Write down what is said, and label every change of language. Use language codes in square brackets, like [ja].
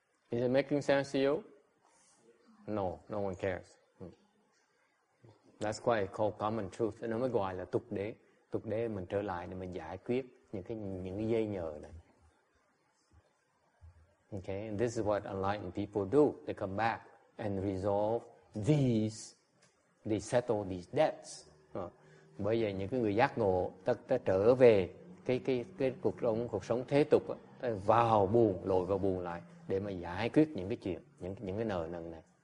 [en] Is it making sense to you? No, no one cares. That's why it's called common truth. [vi] Nó mới gọi là tục đế. Tục đế mình trở lại để mình giải quyết những cái dây nhờ này. [en] Okay, and this is what enlightened people do. They come back and resolve these, they settle these debts. [vi] Bây giờ những cái người giác ngộ ta trở về cái cuộc sống thế tục đó, lội vào buồn lại để mà giải quyết những cái chuyện những cái nợ nần này.